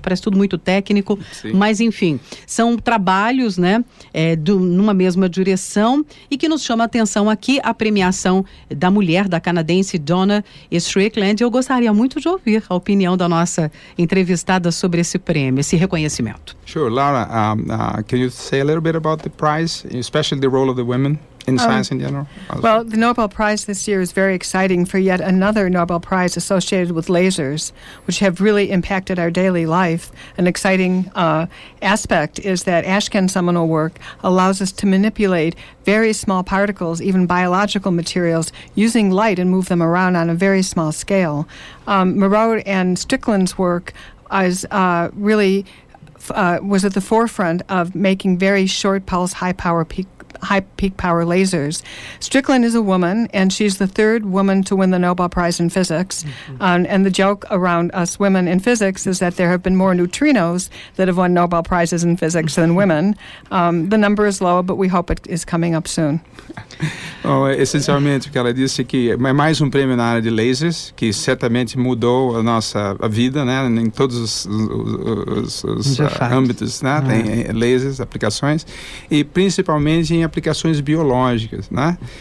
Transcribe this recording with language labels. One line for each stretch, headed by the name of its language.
Portuguese: Parece tudo muito técnico, Sim. Mas enfim, são trabalhos, né, numa mesma direção e que nos chama a atenção aqui a premiação da mulher, da canadense Donna Strickland. Eu gostaria muito de ouvir a opinião da nossa entrevistada sobre esse prêmio, esse reconhecimento.
English: Sure, Laura, can you say a little bit about the prize, especially the role of the women in science in general? Well, the Nobel Prize this year is very exciting for yet another Nobel Prize associated with lasers, which have really impacted our daily life. An exciting aspect is that Ashkin's seminal work allows us to manipulate very small particles, even biological materials, using light and move them around on a very small scale. Mourou and Strickland's work is really was at the forefront of making very short pulse, high peak power lasers. Strickland is a woman, and she's the third woman to win the Nobel Prize in Physics. Mm-hmm. And the joke around us women in physics is that there have been more neutrinos that have won Nobel Prizes in physics than women. The number is low, but we hope it is coming up soon.
Portuguese: Bom, essencialmente, o que ela disse é que é mais um prêmio na área de lasers, que certamente mudou a nossa vida, né, em todos os âmbitos, né, tem lasers, aplicações, e principalmente em aplicações biológicas, né,